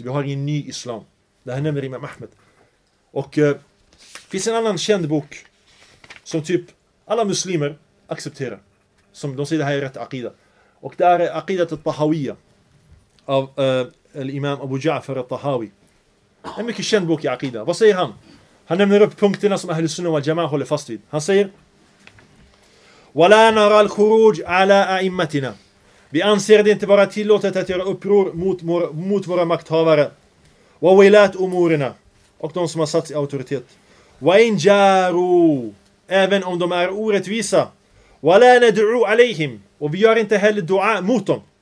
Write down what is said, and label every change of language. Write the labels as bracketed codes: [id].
[sv] Vi har ingen ny islam. Det här nämner Imam Ahmed. Och finns en annan känd bok som typ alla muslimer accepterar. Som de säger, det här är rätt aqida. Och det är aqidat al-Tahawiyya av imam Abu Ja'far al-Tahawi. En mycket känd bok i aqida. Vad säger han? Han nämner upp punkterna som Ahl al-Sunnah wa Jama'ah håller fast vid. Han säger: [ar] وَلَا نَرَى الْخُرُوجَ عَلَىٰ أَئِمَّتِنَا. [sv] Vi anser det inte vara tillåtet att göra uppror mot våra makthavare. [ar] وَوِلَاتْ أُمُورِنَا. [sv] Och de som har satt i autoritet. [ar] وَإِنْ جَارُوا. [sv] Även om de är orättvisa. [ar] وَلَا نَدْعُوا عَلَيْهِمْ. [sv] Och vi gör inte heller dua mot dem.